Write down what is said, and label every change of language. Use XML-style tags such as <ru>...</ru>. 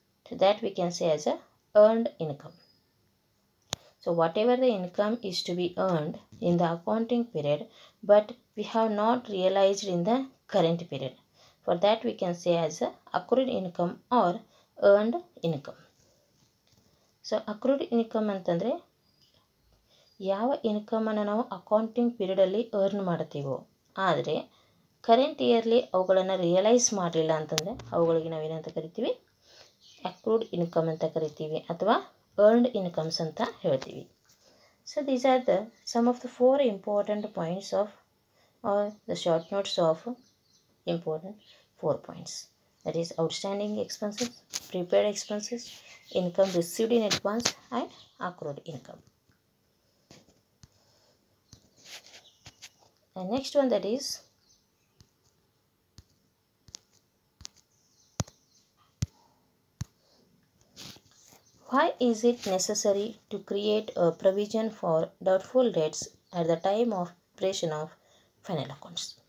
<en>So that we can say as a earned income. So whatever the income is to be earned in the accounting period but we have not realized in the current period, for that we can say as a accrued income or earned income.</en> <kn>So accrued income ಅಂತಂದರೆ ಯಾವ ಇನ್ಕಮನ್ನು ನಾವು accounting ಪೀರಿಯಡಲ್ಲಿ earn ಮಾಡ್ತೀವೋ, ಆದರೆ current yearly ಅವುಗಳನ್ನು realise ಮಾಡಲಿಲ್ಲ ಅಂತಂದರೆ ಅವುಗಳಿಗೆ ನಾವೇನಂತ ಕರಿತೀವಿ, ಅಕ್ರೂಡ್ ಇನ್ಕಮ್ ಅಂತ ಕರಿತೀವಿ ಅಥವಾ ಅರ್ನ್ಡ್ ಇನ್ಕಮ್ಸ್ ಅಂತ ಹೇಳ್ತೀವಿ.</kn> <en>So these are the sum of the four important points of are the short notes of important four points, that is outstanding expenses, prepared expenses, income received in advance and accrued income. Next one that is why is it necessary to create a provision for doubtful debts at the time of preparation of final accounts?</en>